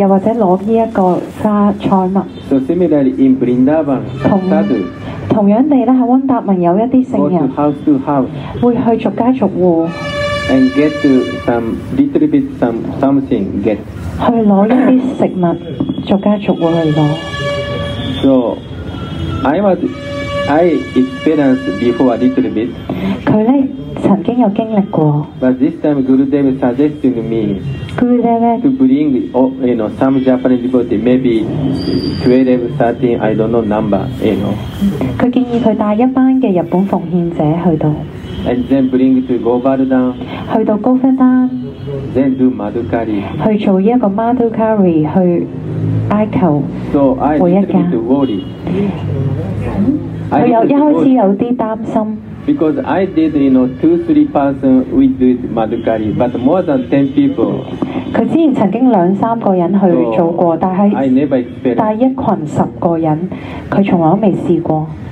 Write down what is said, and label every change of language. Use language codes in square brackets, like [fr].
[yue] 又或者攞依一個花採蜜。 [en] So similarly in Vrindavan, Sadhu. [yue] 同樣地咧喺溫達文有一啲聖人。 [en] Go to house to house. [yue] 會去逐家逐户。 [en] And get to some little bit something get. [yue] 去攞一啲食物，逐家逐户去攞。 [en] So I experienced before a little bit. [yue] 佢咧曾經有經歷過。 [en] But this time Gurudev suggested me. Gurudev to bring some Japanese devotee, maybe 12, 13, I don't know number, you know. [yue] 佢建議佢帶一班嘅日本奉獻者去到。 [en] And then bring to Govardhan. [yue] 去到 Govardhan. [en] Then do Madukari. [yue] 去做一個 Madukari 去哀求。 [en] So I started to worry. [yue] 佢有一開始有啲擔心。 [en] Because I did, you know, 2-3 person we do Madukari, but more than 10 people. [yue] 佢之前曾經兩三個人去做過，但係 [en] I never experienced. [yue] 帶一羣十個人，佢從來都未試過。